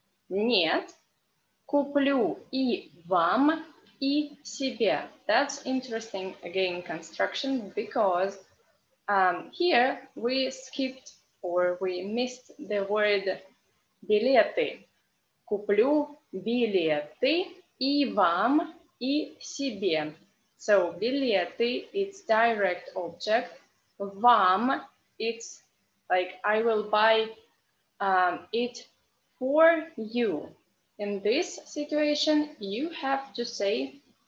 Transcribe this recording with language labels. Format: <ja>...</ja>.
<ru>Нет. Куплю и вам, и себе.</ru> <en>That's interesting, again, construction, because here we skipped or we missed the word билеты.</en> <ru>Куплю билеты и вам, и себе.</ru> <en>So билеты, it's direct object. Вам, it's like I will buy it for you. In this situation, you have to say</en>